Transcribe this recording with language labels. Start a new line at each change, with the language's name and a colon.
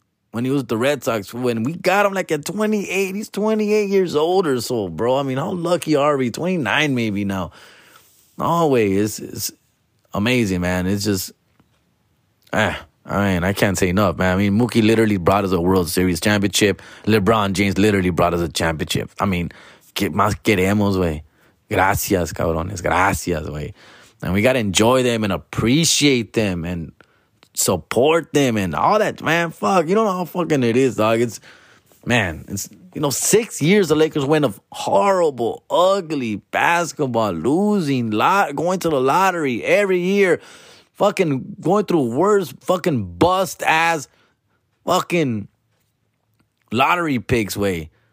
English: When he was the Red Sox, when we got him like at 28, he's 28 years old or so, bro. I mean, how lucky are we? 29 maybe now. No way. It's amazing, man. It's just, I mean, I can't say enough, man. I mean, Mookie literally brought us a World Series championship. LeBron James literally brought us a championship. I mean,
Spanish: que más queremos, güey. Gracias, cabrones. Gracias, güey.
English: And we got to enjoy them and appreciate them and support them and all that, man. Fuck, you don't know how fucking it is, dog. It's, man, it's, you know, 6 years the Lakers went of horrible, ugly basketball, losing, going to the lottery every year, fucking going through worst fucking bust ass fucking lottery picks, way.